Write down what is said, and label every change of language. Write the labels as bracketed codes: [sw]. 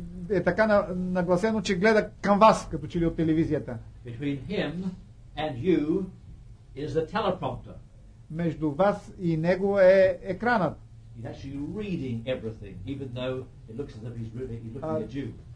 [bg] е така нагласено, че гледа към вас, като че ли от телевизията. [en] Between him and you is the teleprompter. [bg] Между вас и него е екранът. [en] He's actually reading everything, even though it looks as if he's reading, he's looking at you.